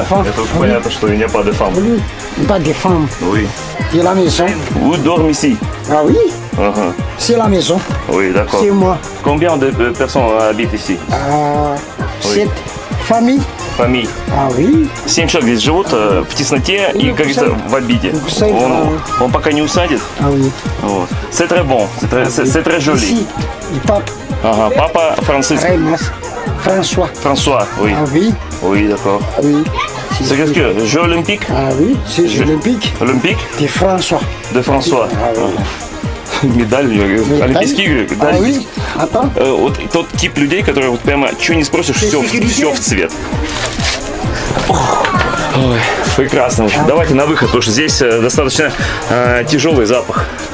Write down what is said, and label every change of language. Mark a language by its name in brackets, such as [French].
[Russian] Это уж понятно, что [French] il n'est pas des femmes. Oui. Il n'est pas des femmes. Oui. C'est la maison. Où dormez ici? Ah oui. Uh-huh. C'est la maison. Oui, d'accord. C'est moi. Combien de personnes habitent ici? Sept. Oui. Famille. Famille. Ah oui. [Russian] Семь человек здесь живут в тесноте и, как говорится, в обиде. Он пока не усадит. [French] Ah oui. Вот. C'est très bon. C'est très joli. Ici. Et papa. [Russian] Ага. Папа Франциск. [French] François. François, oui. Ah oui. Oui, d'accord. Oui. C'est qu'est-ce que Jeux olympiques? Ah oui, c'est Jeux olympiques. Olympiques? De François. De François. Ah oui. [Russian] Медаль, олимпийские игры, да? А, а там? Вот тот тип людей, которые вот прямо, что не спросишь, все, все в цвет. Ой, прекрасно. Давайте на выход, потому что здесь достаточно тяжелый запах.